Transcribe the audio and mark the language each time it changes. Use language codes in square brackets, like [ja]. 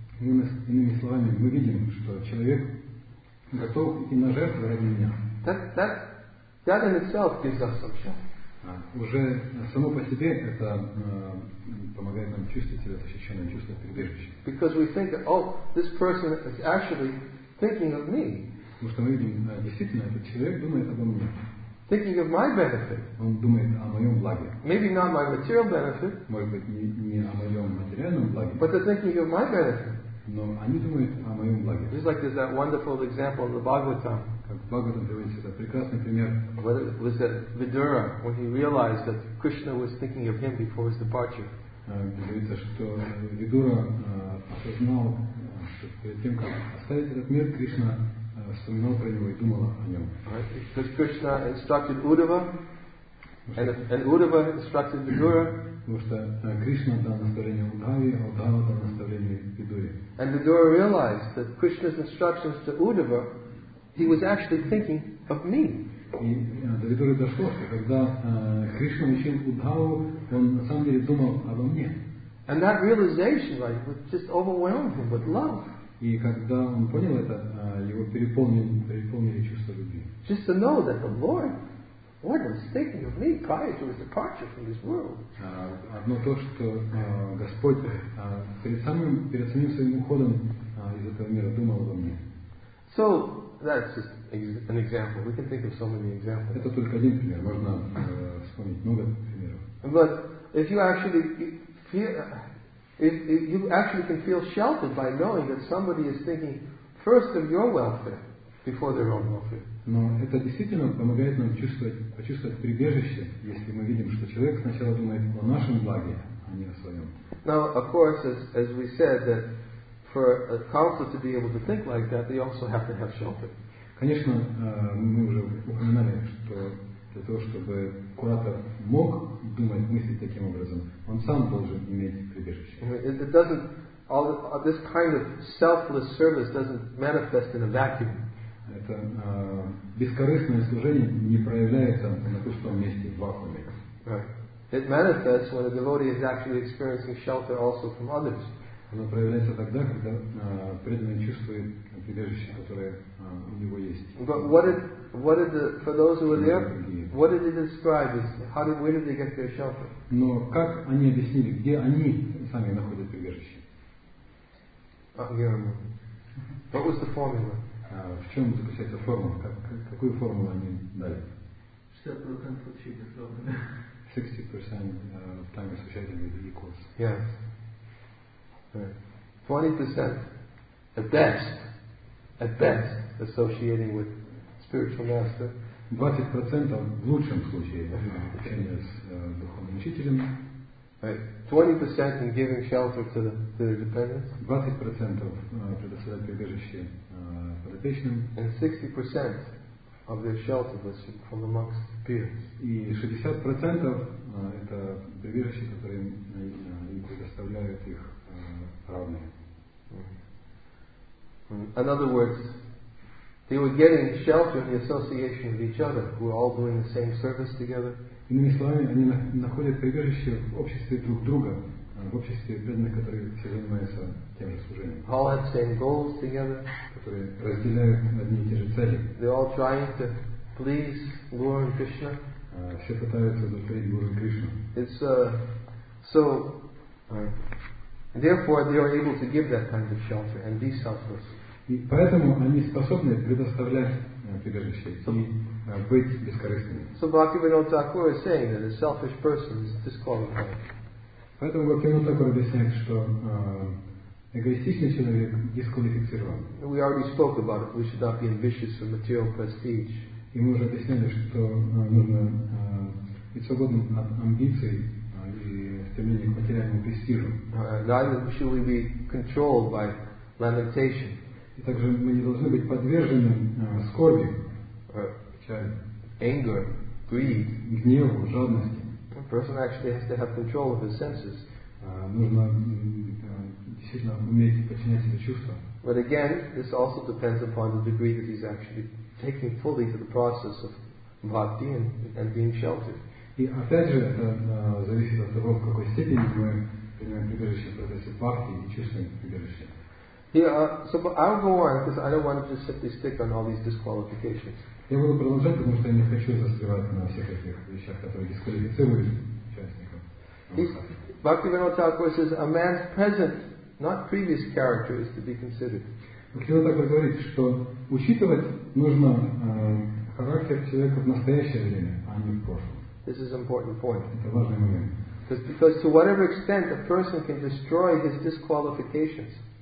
[ru] иными словами, мы видим, что человек готов идти на жертву ради меня. [en] That in itself gives us some strength. [ru] Уже само по себе это помогает нам чувствовать себя защищенным, чувствовать прибежище. [en] Because we think that, oh, this person is actually thinking of me. [ru] Потому что мы видим, действительно, этот человек думает обо мне. [en] Thinking of my benefit. [ru] Он думает о моем благе. [en] Maybe not my material benefit. [ru] Может быть, не о моем материальном благе. [en] But they're thinking of my benefit. [ru] Но они думают о моем благе. [en] Just like there's that wonderful example of the Bhagavatam. [ru] Как Бхагаватам приводится, это прекрасный пример. [en] What was that Vidura when he realized that Krishna was thinking of him before his departure? [ru] Говорится, что Видура осознал, что перед тем, как оставить этот мир, Кришна вспоминал про него и думал о нем. [en] Because Krishna instructed Uddhava, and Uddhava instructed Vidura. [ru] Потому что Кришна дал наставление Удхаве, а Удхава дал наставление Видуре. [en] And Vidura realized that Krishna's instructions to Uddhava, he was actually thinking of me. [ru] И до Видуры дошло, что когда Кришна учил Удхаву, он на самом деле думал обо мне. [en] And that realization, like, was just overwhelmed him with love. [ru] И когда он понял это, его переполнили чувства любви. [en] Just to know that the Lord. What was thinking of me prior to his departure from this world? [ru] Одно то, что Господь перед самим своим уходом из этого мира думал обо мне. [en] So that's just an example. We can think of so many examples. [ru] Это только один пример. Можно вспомнить много примеров. [en] But if you actually can feel sheltered by knowing that somebody is thinking first of your welfare before their own welfare. [ru] Но это действительно помогает нам почувствовать прибежище, если мы видим, что человек сначала думает о нашем благе, а не о своем. [en] Now, of course, as we said, that for a counselor to be able to think like that, they also have to have shelter. [ru] Конечно, мы уже упоминали, что для того, чтобы куратор мог думать, мыслить таким образом, он сам должен иметь прибежище. [en] This kind of selfless service doesn't manifest in a vacuum. [ru] Это бескорыстное служение не проявляется на пустом месте в вакууме. [en] Right. It manifests when a devotee is actually experiencing shelter also from others. [ru] Оно проявляется тогда, когда преданный чувствует прибежище, которое у него есть. [en] But where did they get their shelter? [ru] Но как они объяснили, где они сами находят прибежище? What was the formula? В чем заключается формула? Какую формулу они дали? 60% получили формулы. [en] 60% of time associated with equals. Yes. 20% at best, associating with spiritual master. [ru] 20% в лучшем случае общения с духовным учителем. [en] Right. 20% in giving shelter to the dependents. [ru] 20% предоставлять прибежище. [en] And 60% of their shelter was from amongst peers. [ru] И 60% это прибежище, которое им предоставляют их равные. [en] In other words, they were getting shelter in the association of each other, who were all doing the same service together. [ru] Иными словами, они находят прибежище в обществе друг друга, в обществе преданных, которые все занимаются тем же служением. [en] All have same goals together. [ru] Которые разделяют одни и те же цели. [en] They're all trying to please Guru and Krishna. [ru] Все пытаются удовлетворить Гуру и Кришну. [en] It's so. Therefore, they are able to give that kind of shelter and be selfless. [ru] И поэтому они способны предоставлять прибежище и быть бескорыстными. [en] So Bhaktivinoda Thakur is saying that a selfish person is disqualified. [ru] Поэтому Бхактивинода Такур объясняет, что эгоистичный человек дисквалифицирован. [en] We already spoke about it. We should not be ambitious for material prestige. [ru] И мы уже объясняли, что нужно быть свободным от амбиций и стремления к материальному престижу. [en] Neither should we be controlled by lamentation. [ru] И также мы не должны быть подвержены скорби, печали, [en] anger, greed, [ru] гневу, жадности. [en] A person actually has to have control of his senses. [ru] Нужно действительно уметь подчинять себе чувства. [en] But again, this also depends upon the degree that he's actually taking fully to the process of bhakti and being sheltered. [ru] И опять же, это зависит от того, в какой степени мы принимаем прибежище в процессе бхакти и чувствуем прибежище. [en] I'll go on because I don't want to just set this stick on all these disqualifications. [ru] Я буду продолжать, потому что я не хочу застревать на всех этих вещах, которые дисквалифицируют участников. [en] Bhaktivinoda Thakur says a man's present, not previous character, is to be considered. [ru] Бхактивинода Тхакур говорит, что учитывать нужно характер человека в настоящее время, а не в прошлом. [en] This is an important point. [ru] Это важный момент. [en] Because to whatever extent a person can destroy his disqualifications.